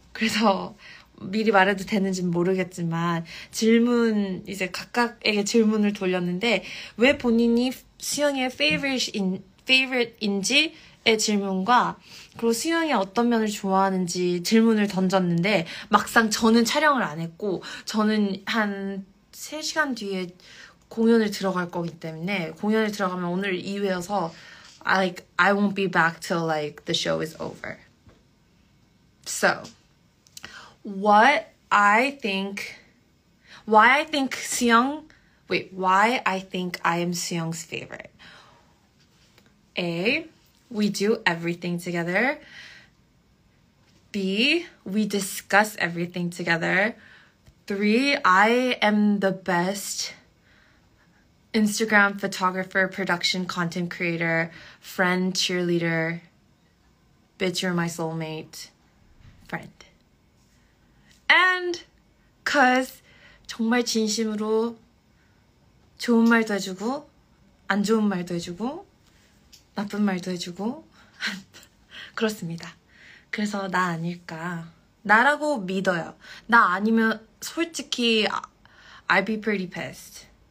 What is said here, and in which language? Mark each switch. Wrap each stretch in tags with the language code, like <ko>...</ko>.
<ko>그래서 미리 말해도 되는지는 모르겠지만 이제 각각에게 질문을 돌렸는데 왜 본인이 수영이의 favorite인지의 질문과 그리고 수영이 어떤 면을 좋아하는지 질문을 던졌는데 막상 저는 촬영을 안 했고 저는 한 3시간 뒤에 공연을 들어갈 거기 때문에 공연을 들어가면 오늘 이외여서</ko> <en>I won't be back till like the show is over. So why I think I am Seong's favorite. A, we do everything together. B, we discuss everything together. 3, I am the best Instagram photographer, production content creator, friend, cheerleader, bitch, you're my soulmate, friend. And cause</en> <ko>정말 진심으로 좋은 말도 해주고 안 좋은 말도 해주고 나쁜 말도 해주고 그렇습니다. 그래서 나 아닐까 나라고 믿어요. 나 아니면 솔직히</ko> <en>I'd be pretty pissed.</en>